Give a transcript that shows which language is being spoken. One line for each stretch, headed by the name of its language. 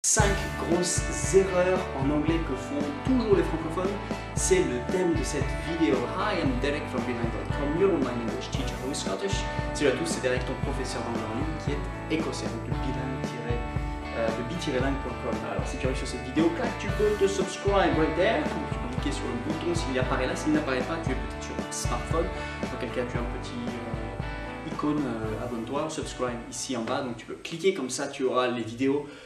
French: 5 grosses erreurs en anglais que font toujours les francophones, c'est le thème de cette vidéo.
English: Hi, I'm Derek from Behind.com, your online English teacher who is Scottish.
French: Salut à tous, c'est Derek, ton professeur d'anglais en ligne qui est écossais, donc le b-lang.com. Alors, si tu arrives sur cette vidéo, clac, tu peux te
English: subscribe right there.
French: Tu peux cliquer sur le bouton s'il apparaît là. S'il n'apparaît pas, tu es peut-être sur ton smartphone. Dans quel cas, tu as un petit icône, abonne-toi, subscribe ici en bas. Donc, tu peux cliquer comme ça, tu auras les vidéos.